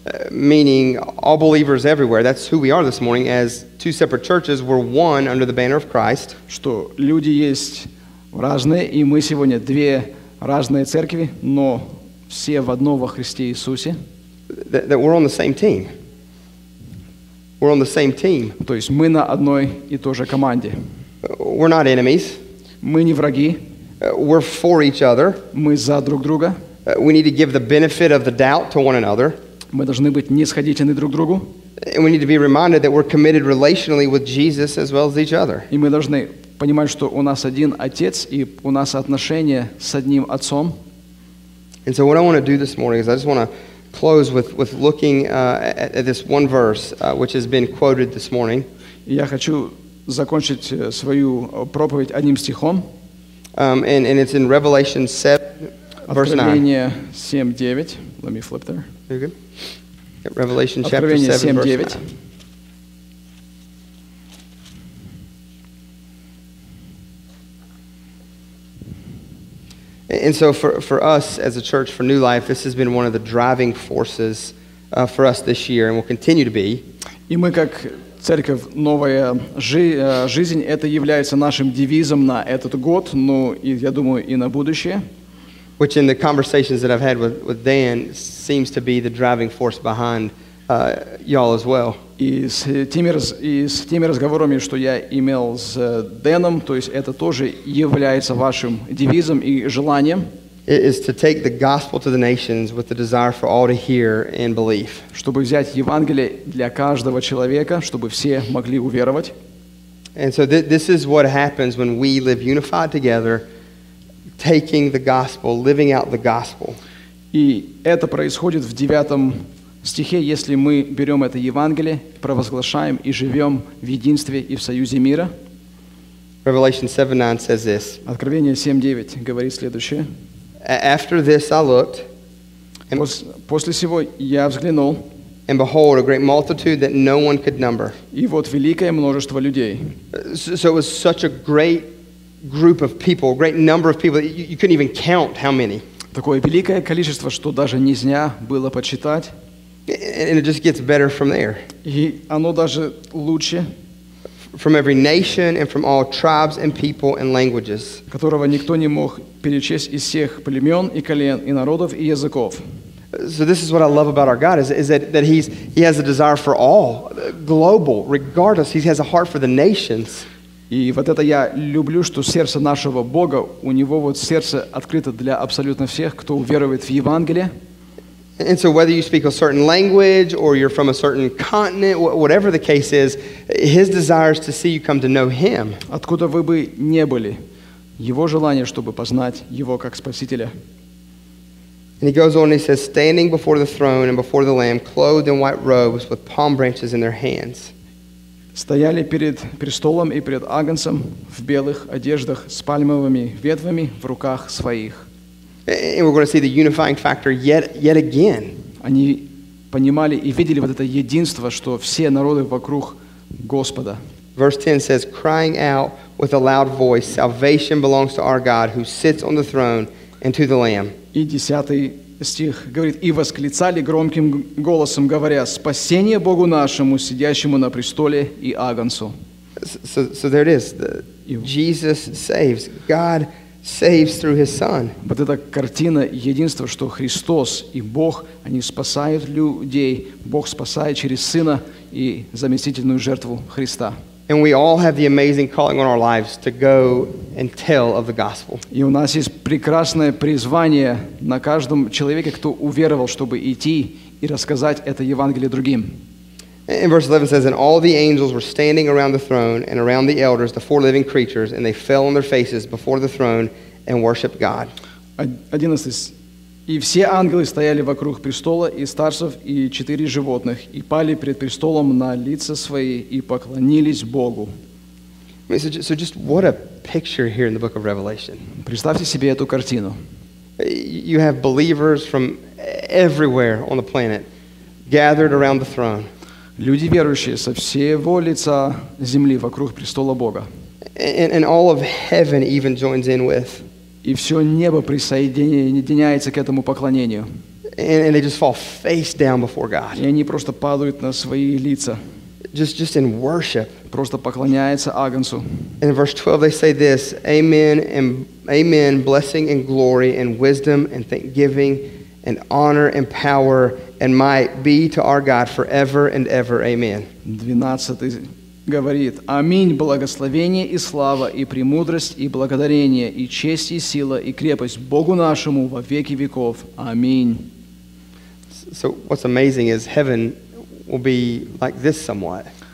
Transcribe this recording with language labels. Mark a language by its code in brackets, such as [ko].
[en] Meaning all believers everywhere. That's who we are this morning. As two separate churches, we're one under the banner of Christ. [ru] Что люди есть разные, и мы сегодня две разные церкви, но все в одно во Христе Иисусе. [en] That we're on the same team. We're on the same team. [ru] То есть мы на одной и той же команде. [en] We're not enemies. [ru] Мы не враги. [en] We're for each other. [ru] Мы за друг друга. [en] We need to give the benefit of the doubt to one another. [ru] Мы должны быть нисходительны друг другу. [en] And we need to be reminded that we're committed relationally with Jesus as well as each other. [ru] И мы должны понимать, что у нас один отец и у нас отношения с одним отцом. [en] And so what I want to do this morning is I just want to close with looking at this one verse which has been quoted this morning. [ru] Я хочу закончить свою проповедь одним стихом. [en] And it's in Revelation 7, verse 9. Откровение 7:9. Let me flip there. You good? Yeah, Revelation chapter 7, verse 9. And so for us as a church, for New Life, this has been one of the driving forces for us this year and will continue to be. [ru] И мы как церковь «Новая жизнь» — это является нашим девизом на этот год, ну, и, я думаю, и на будущее. [en] Which in the conversations that I've had with Dan seems to be the driving force behind y'all as well. [ru] И с теми разговорами, что я имел с Дэном, то есть это тоже является вашим девизом и желанием. [en] It is to take the gospel to the nations with the desire for all to hear and believe. [ru] Чтобы взять Евангелие для каждого человека, чтобы все могли уверовать. [en] And so this is what happens when we live unified together, taking the gospel, living out the gospel. [ru] И это происходит в девятом стихе, если мы берем это Евангелие, провозглашаем и живем в единстве и в союзе мира. [en] Revelation 7:9 says this. [ru] Откровение 7:9 говорит следующее. [en] After this I looked, and [ru] после сего я взглянул, [en] and behold, a great multitude that no one could number. [ru] И вот великое множество людей. [en] So it was such a great group of people, a great number of people, you couldn't even count how many. [ru] Такое великое количество, что даже нельзя было подсчитать. [en] And it just gets better from there. [ru] И оно даже лучше. [en] From every nation and from all tribes and people and languages. [ru] Которого никто не мог перечесть из всех племен и колен и народов и языков. [en] So this is what I love about our God is that he has a desire for all, global, regardless. He has a heart for the nations. [ru] И вот это я люблю, что сердце нашего Бога, у него вот сердце открыто для абсолютно всех, кто уверует в Евангелие. [en] And so whether you speak a certain language or you're from a certain continent, whatever the case is, his desire is to see you come to know him. [ru] Откуда вы бы не были, его желание, чтобы познать его как Спасителя. [en] And he goes on and he says, standing before the throne and before the Lamb, clothed in white robes with palm branches in their hands. [ru] Стояли перед престолом и перед Агнцем в белых одеждах с пальмовыми ветвями в руках своих. [en] And we're going to see the unifying factor yet again. [ru] Они понимали и видели вот это единство, что все народы вокруг Господа. [en] Verse 10 says, crying out with a loud voice, salvation belongs to our God who sits on the throne and to the Lamb. [ru] И 10 стих говорит, и восклицали громким голосом, говоря, спасение Богу нашему, сидящему на престоле и Агнцу. [en] So there it is. Jesus saves. God saves through his son. [ru] Вот эта картина единства, что Христос и Бог, они спасают людей. Бог спасает через сына и заместительную жертву Христа. [en] And we all have the amazing calling on our lives to go and tell of the gospel. [ru] И у нас есть прекрасное призвание на каждом человеке, кто уверовал, чтобы идти и рассказать это Евангелие другим. [en] And verse 11 says, and all the angels were standing around the throne and around the elders, the four living creatures, and they fell on their faces before the throne and worshiped God. 11. [ru] И все ангелы стояли вокруг престола, и старцев, и четыре животных, и пали пред престолом на лица свои, и поклонились Богу. [en] I mean, so just what a picture here in the book of Revelation. [ru] Представьте себе эту картину. [en] You have believers from everywhere on the planet gathered around the throne. [ru] Люди верующие со всего лица земли вокруг престола Бога. [en] And all of heaven even joins in with. [ru] И все небо присоединяется к этому поклонению. [en] And they just fall face down before God. [ru] И они просто падают на свои лица. [en] Just in worship. [ru] Просто поклоняются Агнцу. [en] And in verse 12 they say this, amen and amen, blessing and glory and wisdom and thanksgiving and honor and power and might be to our God forever and ever. Amen. [ru] 12 говорит, аминь, благословение и слава, и премудрость, и благодарение, и честь, и сила, и крепость Богу нашему во веки веков. Аминь. [en] So what's amazing is heaven will be like this somewhat.